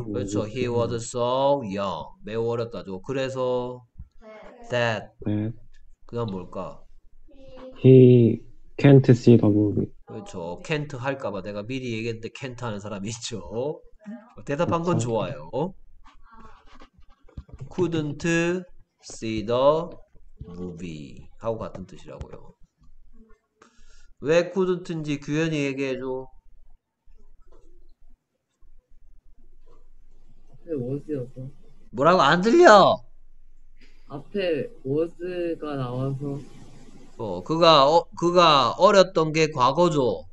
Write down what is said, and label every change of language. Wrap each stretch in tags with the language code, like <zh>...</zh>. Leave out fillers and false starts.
<en>So he was so young.</en> <ko>매우 어렸다죠. 그래서</ko> <en>that. that</en> <ko>그다음 뭘까?</ko> <en>he can't see the movie.</en> <ko>그렇죠. can't 할까봐 내가 미리 얘기했는데 can't 하는 사람이 있죠. 대답한 건 그쵸? 좋아요.</ko> <en>couldn't see the movie</en> <ko>하고 같은 뜻이라고요. 왜 couldn't인지 규현이 얘기해줘. 뭐라고 안 들려? 앞에 워즈가 나와서 그가 어렸던 게 과거죠.</ko>